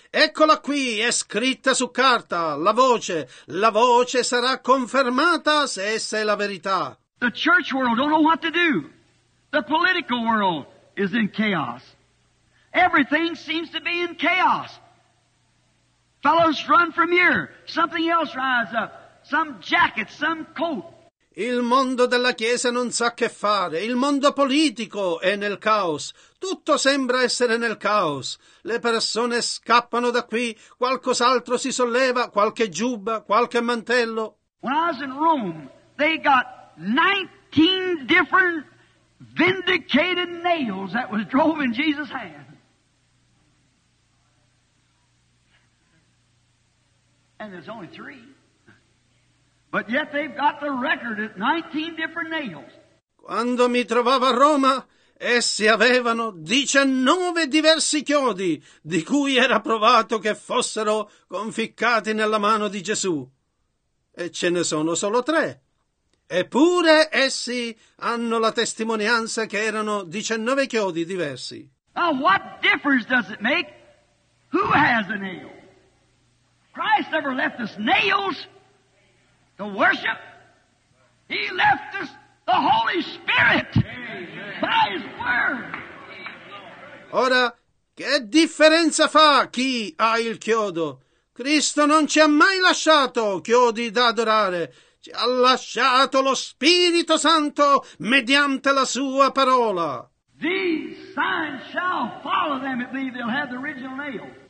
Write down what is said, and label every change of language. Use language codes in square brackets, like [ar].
[it] Eccola qui, è scritta su carta, la voce sarà confermata se essa è la verità. [en] The church world don't know what to do. The political world is in chaos. Everything seems to be in chaos. Fellows run from here, something else rises up. Some jacket, some coat. [it] Il mondo della Chiesa non sa che fare. Il mondo politico è nel caos. Tutto sembra essere nel caos. Le persone scappano da qui. Qualcos'altro si solleva. Qualche giubba, qualche mantello. [en] When I was in Rome, they got 19 different vindicated nails that was drove in Jesus' hand. And there's only three. But yet they've got the record at 19 different nails. [it] Quando mi trovavo a Roma, essi avevano 19 diversi chiodi, di cui era provato che fossero conficcati nella mano di Gesù. E ce ne sono solo tre. Eppure essi hanno la testimonianza che erano 19 chiodi diversi. [en] Now what difference does it make? Who has a nail? Christ never left us nails. To worship, he left us the Holy Spirit by his word. [it] Ora, che differenza fa chi ha il chiodo? Cristo non ci ha mai lasciato chiodi da adorare. Ci ha lasciato lo Spirito Santo mediante la sua parola. [en] These signs shall follow them if they'll have the original nail.